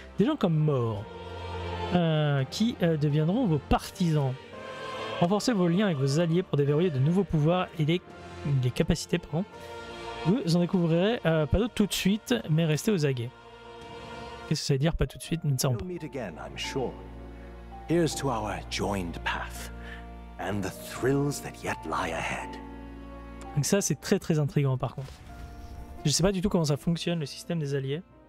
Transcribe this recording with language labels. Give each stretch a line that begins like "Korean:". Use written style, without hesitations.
French: Des gens comme Moore, qui deviendront vos partisans. Renforcez vos liens avec vos alliés pour déverrouiller de nouveaux pouvoirs et les capacités. Pardon. Vous en découvrirez pas d'autres tout de suite, mais restez aux aguets. Qu'est-ce que ça veut dire, pas tout de suite, nous ne savons pas.
English: Again, sure. Here's to our joined path and the thrills that yet lie ahead.
French: Donc ça, c'est très très intriguant par contre. Je sais pas du tout comment ça fonctionne, le système des alliés.